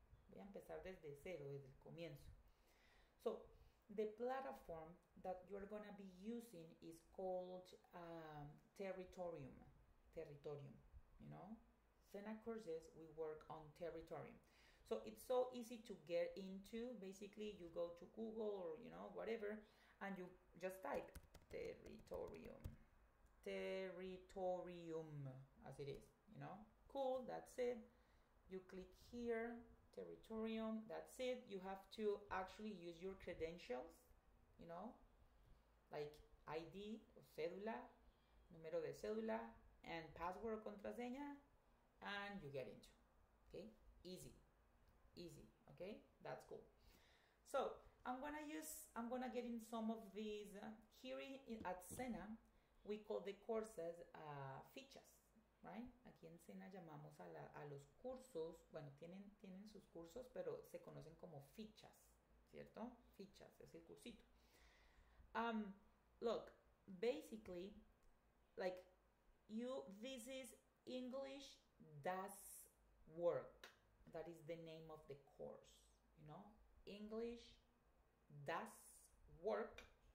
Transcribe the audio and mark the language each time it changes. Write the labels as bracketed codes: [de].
[es] Voy a empezar desde cero, desde el comienzo. [en] So, the platform that you're gonna be using is called Territorium. Territorium, you know, Sena courses, we work on Territorium. So, it's so easy to get into. Basically, you go to Google or, you know, whatever, and you just type Territorium. Territorium, as it is, you know, cool, that's it. You click here, Territorium, that's it. You have to actually use your credentials, you know, like ID, or cédula, [es] número de cédula, [en] and password, contraseña, and you get into, okay, easy, easy, okay, that's cool. So, I'm gonna get in some of these, here at Sena, we call the courses fichas, right? [es] Aquí en Sena llamamos a los cursos, bueno, tienen sus cursos, pero se conocen como fichas, ¿cierto? Fichas, es el cursito. [en] Look, basically, like, this is English Does Work. That is the name of the course, you know? English Does Work.